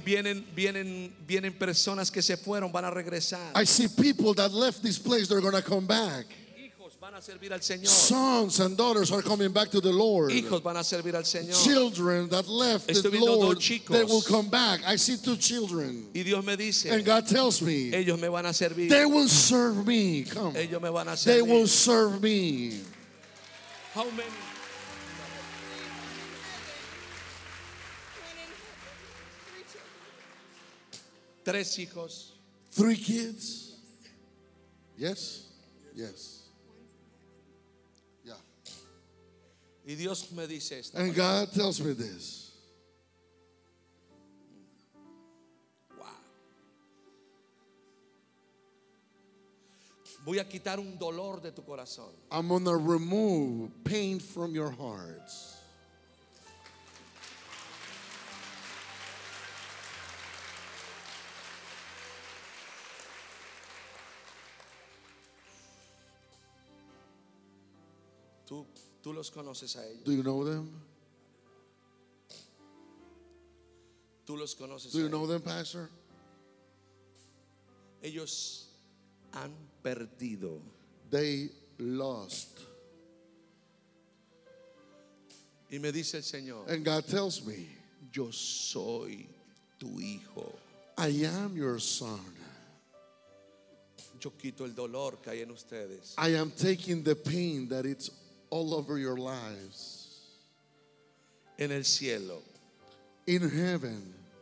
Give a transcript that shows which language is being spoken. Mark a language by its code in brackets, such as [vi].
[es] Vienen personas que se fueron, van a regresar. [en] I see people that left this place, they're going to come back. Sons and daughters are coming back to the Lord. [es] Hijos van a servir al Señor. [en] Children that left the Lord, they will come back. I see two children. [es] Y Dios me dice, [en] and God tells me, [es] ellos me van a servir. [en] They will serve me. Come. [es] Ellos me van a servir. [en] They will serve me. How many? [es] Tres hijos. [en] Three kids. Yes. Yes. [es] Y Dios me dice esto. [en] And God tells me this. Wow. [es] Voy a quitar un dolor de tu corazón. [en] I'm going to remove pain from your hearts. [es] ¿Tú los conoces a ellos? [en] Do you know them? [es] ¿Tú los conoces? [en] Do you know them, Pastor? [es] Ellos han perdido. [en] They lost. [es] Y me dice el Señor. [en] And God tells me, [es] yo soy tu hijo. [en] I am your son. [es] Yo quito el dolor que hay en ustedes. [en] I am taking the pain that it's all over your lives. [es] En el cielo. [en] In heaven.